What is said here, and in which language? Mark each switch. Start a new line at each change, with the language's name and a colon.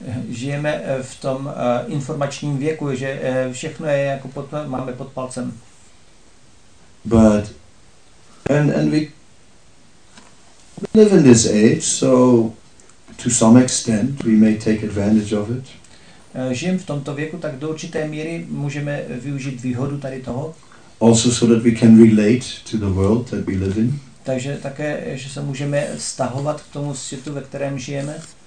Czech: Žijeme v tom informačním věku, že všechno je jako pod, máme pod palcem.
English: But and we live in this age, so to some extent we may take advantage of it.
Czech: Žijeme v tomto věku, tak do určité míry můžeme využít výhodu tady toho.
English: Also so that we can relate to the world that we live in.
Czech: Takže také, že se můžeme stahovat k tomu světu, ve kterém žijeme.